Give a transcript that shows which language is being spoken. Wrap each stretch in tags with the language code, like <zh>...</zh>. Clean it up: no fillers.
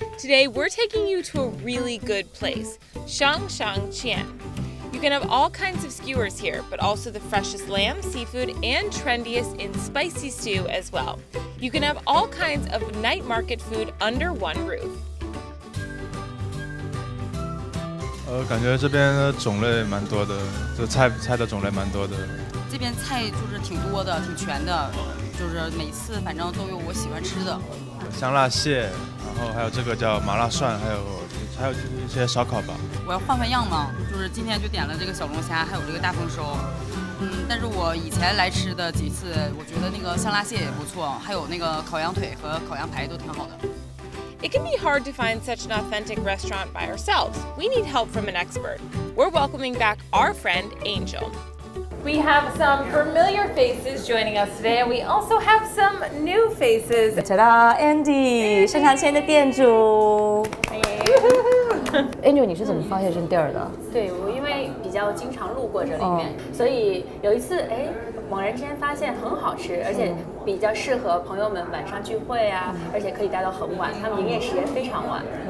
<en>Today, we're taking you to a really good place, Shang Shang Qian. You can have all kinds of skewers here, but also the freshest lamb, seafood, and trendiest in spicy stew as well. You can have all kinds of night market food under one roof.</en> <zh>感觉这边的种类蛮多的，就菜的种类蛮多的。这边菜就是挺多的，挺全的，就是每次反正都有我喜欢吃的。香辣蟹，然后还有这个叫麻辣蒜，还有一些烧烤吧。我要换换样嘛，就是今天就点了这个小龙虾，还有这个大丰收。但是我以前来吃的几次，我觉得那个香辣蟹也不错，还有那个烤羊腿和烤羊排都挺好的。</zh> <en>It can be hard to find such an authentic restaurant by ourselves. We need help from an expert. We're welcoming back our friend, Angel. We have some familiar faces joining us today, and we also have some new faces.</en> <zh>Ta-da, Andy, 盛长千的店主。 Angel, 你是怎么发现这店的？对，我因为比较经常路过这里面，所以有一次，猛然之间发现很好吃，而且比较适合朋友们晚上聚会啊，而且可以待到很晚，他们营业时间非常晚。</zh>